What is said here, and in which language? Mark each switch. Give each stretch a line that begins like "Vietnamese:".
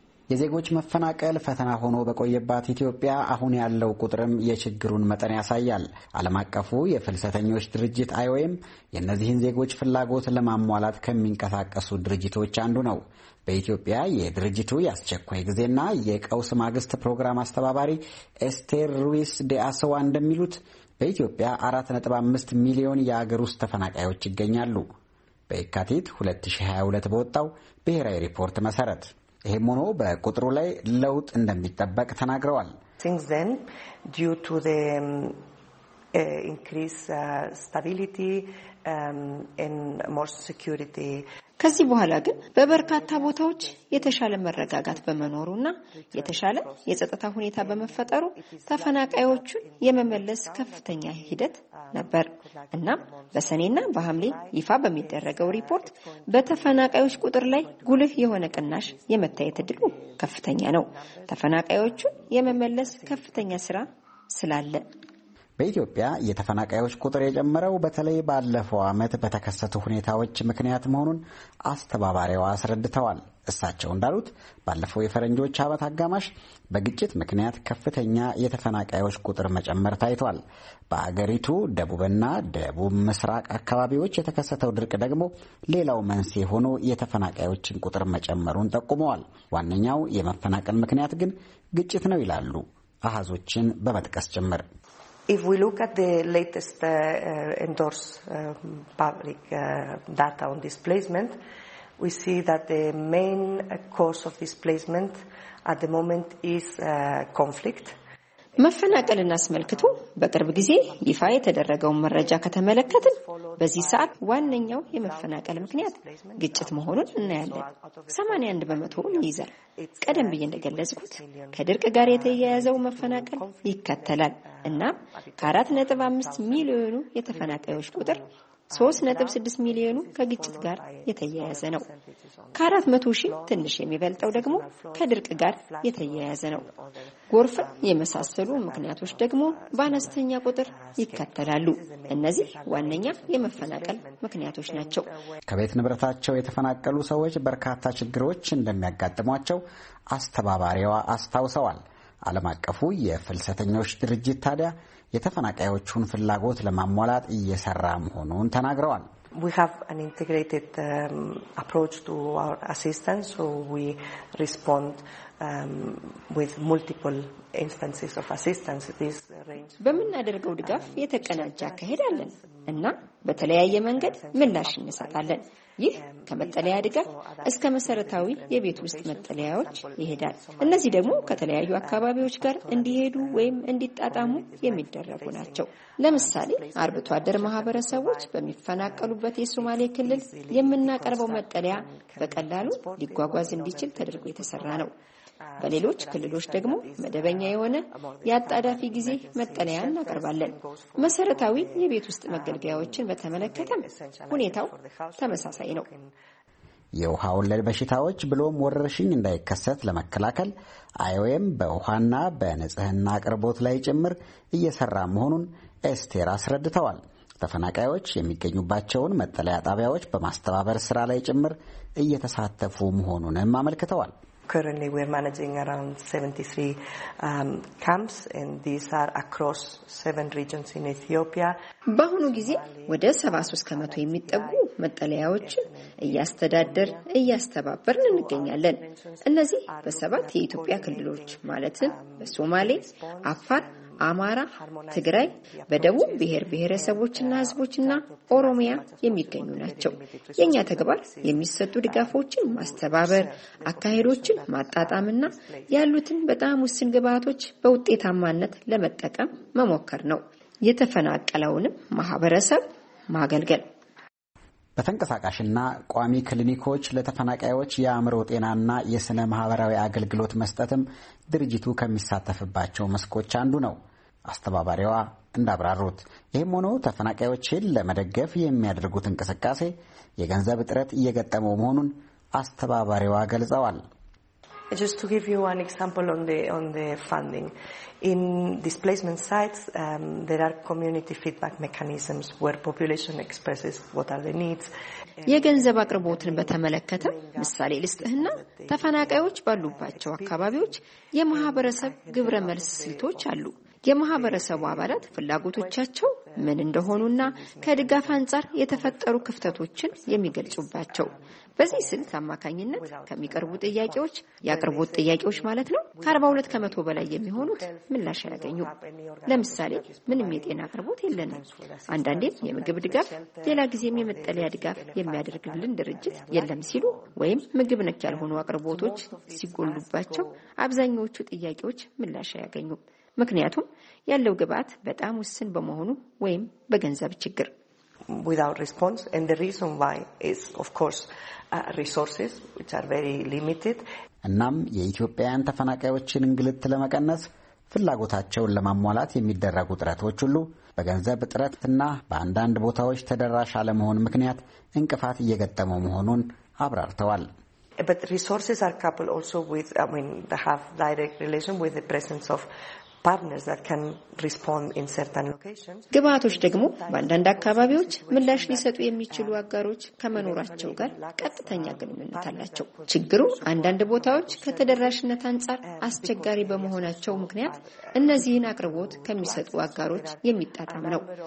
Amharic: የዜጎች መፈናቀል ፈተና ሆኖ በቆየባት ኢትዮጵያ አሁን ያለው ቁጥርም የችግሩን መጠን ያሳያል። ዓለም አቀፉ የፍልሰተኞች ድርጅት አይኦኤም የእነዚህን ዜጎች ፍላጎት ለማሟላት ከሚንቀሳቀሱ ድርጅቶች አንዱ ነው። በኢትዮጵያ የድርጅቱ የአስቸኳይ ጊዜና የቀውስ ማግስት ፕሮግራም አስተባባሪ ኤስቴር ሩይስ ዴ አሰዋ እንደሚሉት በኢትዮጵያ 4.5 ሚሊዮን የአገር ውስጥ ተፈናቃዮች ይገኛሉ። በየካቲት 2022 በወጣው ብሔራዊ ሪፖርት መሰረት ይህም ሆኖ በቁጥሩ ላይ ለውጥ እንደሚጠበቅ ተናግረዋል።
English: Since then, due to the increased stability and more security.
Amharic: ከዚህ በኋላ ግን በበርካታ ቦታዎች የተሻለ መረጋጋት በመኖሩና የተሻለ የጸጥታ ሁኔታ በመፈጠሩ ተፈናቃዮቹን የመመለስ ከፍተኛ ሂደት ነበር። እናም በሰኔና በሐምሌ ይፋ በሚደረገው ሪፖርት በተፈናቃዮች ቁጥር ላይ ጉልህ የሆነ ቅናሽ የመታየት እድሉ ከፍተኛ ነው። ተፈናቃዮቹን የመመለስ ከፍተኛ ስራ ስላለ በኢትዮጵያ የተፈናቃዮች ቁጥር የጀመረው በተለይ ባለፈው አመት በተከሰቱ ሁኔታዎች ምክንያት መሆኑን አስተባባሪው አስረድተዋል። እሳቸው እንዳሉት ባለፈው የፈረንጆች አመት አጋማሽ በግጭት ምክንያት ከፍተኛ የተፈናቃዮች ቁጥር መጨመር ታይቷል። በአገሪቱ ደቡብና ደቡብ ምስራቅ አካባቢዎች የተከሰተው ድርቅ ደግሞ ሌላው መንስኤ ሆኖ የተፈናቃዮችን ቁጥር መጨመሩን ጠቁመዋል። ዋነኛው የመፈናቀል ምክንያት ግን ግጭት ነው ይላሉ። አሃዞችን በመጥቀስ ጀመር።
English: If we look at the latest endorsed public data on displacement, we see that the main cause of displacement at the moment is conflict.
Amharic: መፈናቀልን አስመልክቶ በቅርብ ጊዜ ይፋ የተደረገው መረጃ ከተመለከትን በዚህ ሰዓት ዋነኛው የመፈናቀል ምክንያት ግጭት መሆኑን እናያለን። 81% ይይዛል። ቀደም ብዬ እንደገለጽኩት ከድርቅ ጋር የተያያዘው መፈናቀል ይከተላል እና ከ4.5 ሚሊዮኑ የተፈናቃዮች ቁጥር 3.6 ሚሊዮኑ ከግጭት ጋር የተያያዘ ነው። ከ400,000 ትንሽ የሚበልጠው ደግሞ ከድርቅ ጋር የተያያዘ ነው። ጎርፍ የመሳሰሉ ምክንያቶች ደግሞ በአነስተኛ ቁጥር ይከተላሉ። እነዚህ ዋነኛ የመፈናቀል ምክንያቶች ናቸው። ከቤት ንብረታቸው የተፈናቀሉ ሰዎች በርካታ ችግሮች እንደሚያጋጥሟቸው አስተባባሪዋ አስታውሰዋል። ዓለም አቀፉ የፍልሰተኞች ድርጅት ታዲያ የተፈናቃዮቹን ፍላጎት ለማሟላት እየሰራ መሆኑን ተናግረዋል።
English: We have an integrated approach to our assistance, so we respond with multiple instances of assistance. This range
Amharic: በምናደርገው ድጋፍ የተቀናጀ አካሄድ አለን እና በተለያየ መንገድ ምላሽ እንሰጣለን። ይህ ከመጠለያ ድጋፍ እስከ መሰረታዊ የቤት ውስጥ መጠለያዎች ይሄዳል። እነዚህ ደግሞ ከተለያዩ አካባቢዎች ጋር እንዲሄዱ ወይም እንዲጣጣሙ የሚደረጉ ናቸው። ለምሳሌ አርብቶ አደር ማህበረሰቦች በሚፈናቀሉበት የሶማሌ ክልል የምናቀርበው መጠለያ በቀላሉ ሊጓጓዝ እንዲችል ተደርጎ የተሰራ ነው። በሌሎች ክልሎች ደግሞ መደበኛ የሆነ ያጣዳፊ ጊዜ መጠለያ እናቀርባለን። መሰረታዊ የቤት ውስጥ መገልገያዎችን በተመለከተም ሁኔታው ተመሳሳይ ነው። የውሃ ወለድ በሽታዎች ብሎም ወረርሽኝ እንዳይከሰት ለመከላከል አይኦኤም በውሃና በንጽህና አቅርቦት ላይ ጭምር እየሰራ መሆኑን ኤስቴር አስረድተዋል። ተፈናቃዮች የሚገኙባቸውን መጠለያ ጣቢያዎች በማስተባበር ስራ ላይ ጭምር እየተሳተፉ መሆኑንም አመልክተዋል።
English: Currently we are managing around 73 camps and these are across 7 regions in Ethiopia.
Amharic: በአሁኑ ጊዜ ወደ 73% የሚጠጉ መጠለያዎችን እያስተዳደር እያስተባበርን እንገኛለን። እነዚህ በ7 የኢትዮጵያ ክልሎች ማለትም በሶማሌ፣ አፋር፣ አማራ፣ ትግራይ፣ በደቡብ ብሔር ብሔረሰቦችና ህዝቦችና ኦሮሚያ የሚገኙ ናቸው። የኛ ተግባር የሚሰጡ ድጋፎችን ማስተባበር፣ አካሄዶችን ማጣጣምና ያሉትን በጣም ውስን ግብዓቶች በውጤታማነት ለመጠቀም መሞከር ነው። የተፈናቀለውንም ማህበረሰብ ማገልገል። በተንቀሳቃሽና ቋሚ ክሊኒኮች ለተፈናቃዮች የአምሮ ጤናና የስነ ማህበራዊ አገልግሎት መስጠትም ድርጅቱ ከሚሳተፍባቸው መስኮች አንዱ ነው። አስተባባሪዋ እንዳብራሩት ይህም ሆኖ ተፈናቃዮችን ለመደገፍ የሚያደርጉት እንቅስቃሴ የገንዘብ እጥረት እየገጠመው መሆኑን አስተባባሪዋ ገልጸዋል።
English: Just to give you an example on the funding in displacement sites, there are community feedback mechanisms where population expresses what are the needs.
Amharic: የገንዘብ አቅርቦትን በተመለከተ ምሳሌ ልስጥህና ተፈናቃዮች ባሉባቸው አካባቢዎች የማህበረሰብ ግብረ መልስ ስልቶች አሉ። የማህበረሰቡ አባላት ፍላጎቶቻቸው ምን እንደሆኑና ከድጋፍ አንጻር የተፈጠሩ ክፍተቶችን የሚገልጹባቸው በዚህ ስልት አማካኝነት ከሚቀርቡ ጥያቄዎች ያቀርቡት ጥያቄዎች ማለት ነው ከ42% በላይ የሚሆኑት ምላሽ ያገኙ። ለምሳሌ ምንም የጤና አቅርቦት የለንም። አንዳንዴ የምግብ ድጋፍ፣ ሌላ ጊዜም የመጠለያ ድጋፍ የሚያደርግልን ድርጅት የለም ሲሉ ወይም ምግብ ነክ ያልሆኑ አቅርቦቶች ሲጎሉባቸው አብዛኞቹ ጥያቄዎች ምላሽ ያገኙ። ምክንያቱም ያለው ግብአት በጣም ውስን በመሆኑ ወይም በገንዘብ ችግር
English: without response, and the reason why is of course resources which are very limited.
Amharic: እናም የኢትዮጵያን ተፈናቃዮችን እንግልት ለመቀነስ ፍላጎታቸውን ለማሟላት የሚደረጉ ጥረቶች ሁሉ በገንዘብ ጥረትና በአንዳንድ ቦታዎች ተደራሽ አለመሆን ምክንያት እንቅፋት እየገጠመ መሆኑን አብራርተዋል።
English: But resources are coupled also with, I mean, they have direct relation with the presence of partners that can respond in certain locations.
Amharic: ግባቶች ደግሞ ባንዳንድ አካባቢዎች ምላሽ ሊሰጡ የሚችሉ አጋሮች ከመኖራቸው ጋር ቀጥተኛ ግንኙነት አላቸው። ችግሩ አንዳንድ ቦታዎች ከተደራሽነት አንጻር አስቸጋሪ በመሆናቸው ምክንያት እነዚህን አቅርቦት ከሚሰጡ አጋሮች የሚጣጣም ነው።